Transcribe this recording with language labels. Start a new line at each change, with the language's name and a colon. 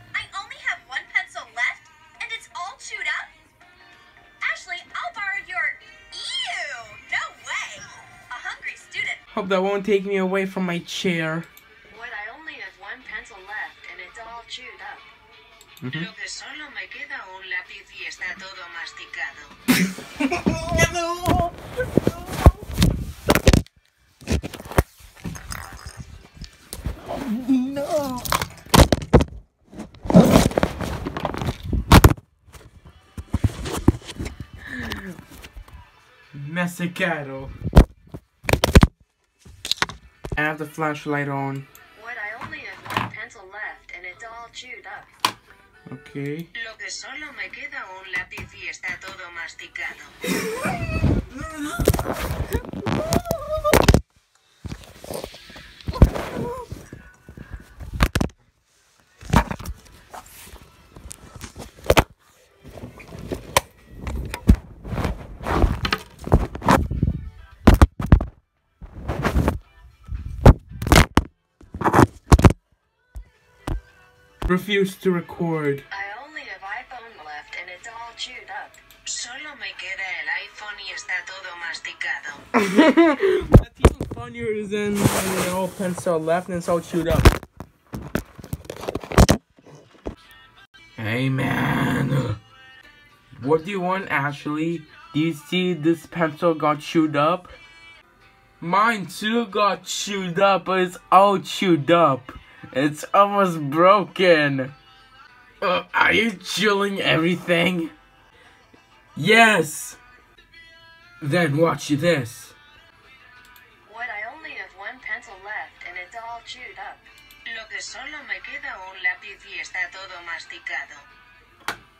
English: I only have one pencil left, and it's all chewed up? Ashley, I'll borrow your... Ew! No way! A hungry student. Hope that won't take me away from my chair. What, I only have one pencil left, and it's all chewed up. Mm-hmm.
Spanish: Lo que solo me queda un lápiz y está todo masticado. Mexicano.
English: I have the flashlight on. What, I only have one pencil left and it's all chewed up. Okay.
Spanish: Lo que solo me queda un lápiz y está todo masticado.
English: Refuse to record. I only have iPhone left and it's all chewed up.
Spanish: Solo me queda el iPhone y está todo masticado.
English: That's even funnier than the old pencil left and it's all chewed up. Hey man. What do you want, Ashley? Do you see this pencil got chewed up? Mine too got chewed up, but it's all chewed up. It's almost broken. Are you chilling everything? Yes! Then watch this. What, I only have one pencil left and it's all chewed up.
Spanish: Lo que solo me queda un lápiz y está todo masticado.